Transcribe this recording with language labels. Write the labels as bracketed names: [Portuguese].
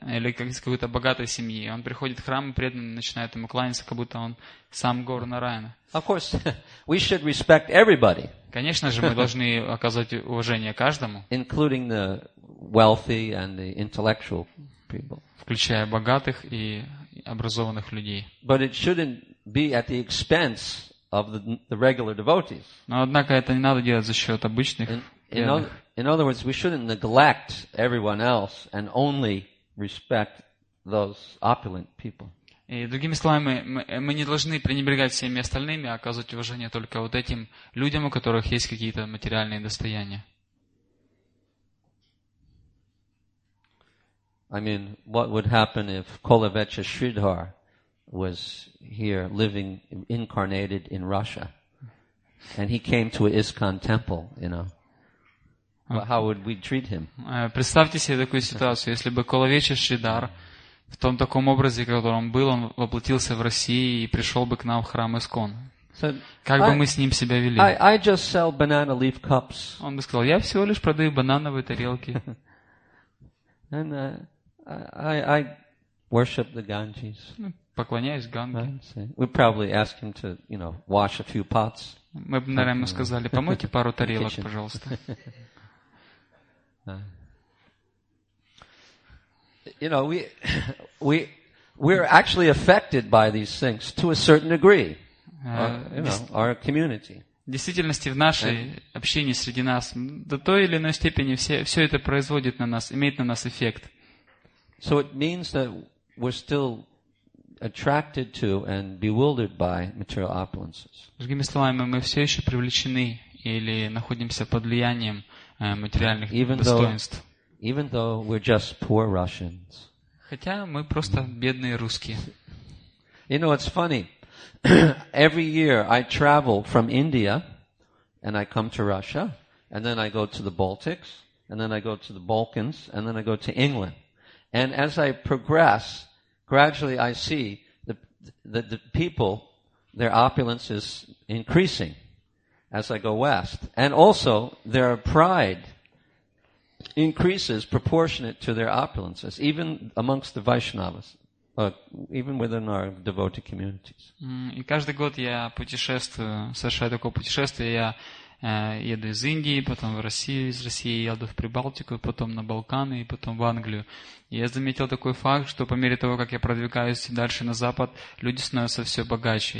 [Russian] Или как из какой-то богатой семьи, он приходит в храм, преданный начинает ему кланяться, как будто он сам Гор Нараяна. [English] Of course, we should respect everybody. [Russian] Конечно же, мы должны оказывать уважение каждому. [English] Including the wealthy and the intellectual people. [Russian] Включая богатых и образованных людей. [English] But it shouldn't be at the expense of the regular devotees. [Russian] Но однако это не надо делать за счет обычных. [English] In other words, we shouldn't neglect everyone else and only respect those opulent people. [Russian] И другими словами, мы не должны пренебрегать всеми остальными, а оказывать уважение только вот этим людям, у которых есть какие-то материальные достояния. [English] I mean, what would happen if Kolavecha Sridhar was here living incarnated in Russia and he came to an ISKCON temple, you know. But how would we treat him? [Russian] Представьте себе такую ситуацию, если бы Коловеча Шридар в том таком образе, в котором был, он воплотился в России и пришел бы к нам в храм ИСККОН. Как бы мы с ним себя вели? [English] I just sell banana leaf cups. [Russian] Он бы сказал, я всего лишь продаю банановые тарелки. [English] And I worship the Ganges. [Russian] Поклоняюсь Ганге. [English] We probably ask him to, you know, wash a few pots. [Russian] Мы бы, наверное, ему сказали, помойте пару тарелок, пожалуйста. [English] You know, we're actually affected by these things to a certain degree. Our community. [Russian] В действительности в нашей общине среди нас до той или иной степени все это производит на нас, имеет на нас эффект. [English] So it means that we're still attracted to and bewildered by material opulences. [Russian] Другими словами, мы все еще привлечены или находимся под влиянием материальных достоинств. [English] Even though we're just poor Russians. [Russian] Хотя мы просто бедные русские. [English] You know, it's funny. Every year I travel from India and I come to Russia and then I go to the Baltics and then I go to the Balkans and then I go to England. And as I progress, gradually I see the people, their opulence is increasing as I go west. And also their pride increases proportionate to their opulences, even amongst the Vaishnavas, even within our devotee communities. [Russian] И каждый год я путешествую, совершаю такое путешествие. Я еду из Индии, потом в Россию, из России еду в Прибалтику, потом на Балканы и потом в Англию. Я заметил такой факт, что по мере того, как я продвигаюсь дальше на запад, люди становятся все богаче.